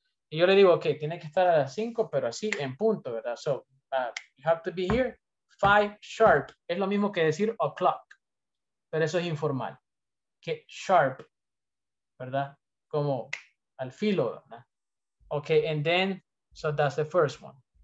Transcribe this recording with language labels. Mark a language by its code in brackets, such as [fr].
[es] Y yo le digo, okay, tiene que estar a las cinco, pero así en punto, ¿verdad? [en] So you have to be here, five sharp. [es] Es lo mismo que decir o'clock, pero eso es informal. Que sharp, ¿verdad? Como al filo, ¿verdad? [en] Okay, and then, so that's the first one.